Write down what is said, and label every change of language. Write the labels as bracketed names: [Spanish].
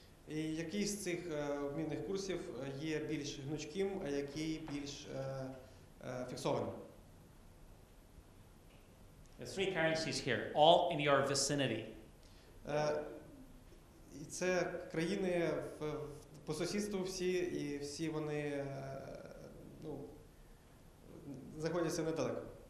[Ukrainian] І який з цих обмінних курсів є більш гнучким, а який більш фіксованим? [English] The three currencies here, all in your vicinity. [Ukrainian] І це країни в по сусідству всі, і всі вони ну, знаходяться недалеко.